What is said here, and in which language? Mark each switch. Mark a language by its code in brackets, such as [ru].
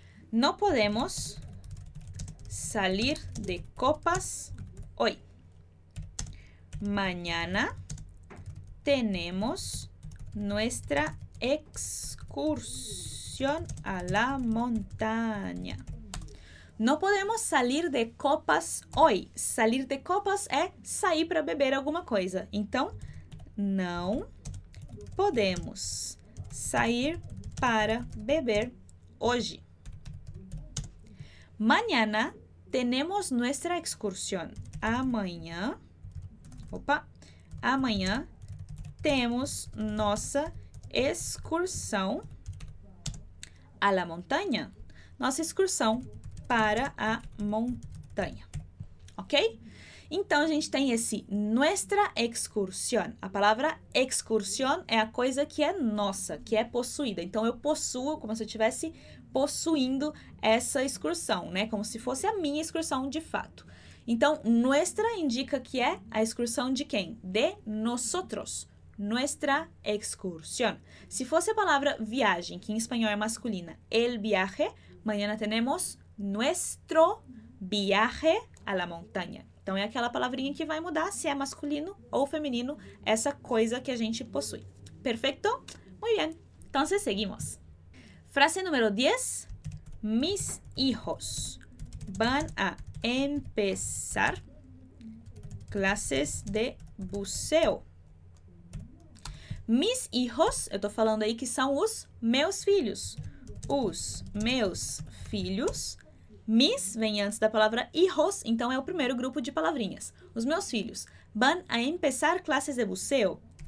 [es] No podemos salir de copas hoy. Mañana tenemos nuestra excursión a la montaña. No podemos salir de copas hoy. Salir de copas [pt] é sair para beber alguma coisa. Então, não podemos sair para beber hoje. [es] Mañana tenemos nuestra excursión. [pt] Amanhã. Opa. Amanhã temos nossa excursão [es] a la montaña. [pt] Nossa excursão para a montanha. Ok? Então, a gente tem esse [es] nuestra excursión. [pt] A palavra excursión é a coisa que é nossa, que é possuída. Então, eu possuo, como se eu estivesse possuindo essa excursão, né? Como se fosse a minha excursão de fato. Então, nuestra indica que é a excursão de quem? [es] De nosotros. Nuestra excursión. [pt] Se fosse a palavra viagem, que em espanhol é masculina, [es] el viaje, mañana tenemos nuestro viaje a la montaña. [pt] Então, é aquela palavrinha que vai mudar se é masculino ou feminino essa coisa que a gente possui. Perfeito? [es] Muy bien. [pt] Então, seguimos. Frase número 10. [es] Mis hijos van a empezar clases de buceo. [pt] Mis hijos, eu tô falando aí que são os meus filhos. Os meus filhos. Mis vem antes da palavra hijos, então é o primeiro grupo de palavrinhas. Os meus [es] filhos van a empezar clases de buceo.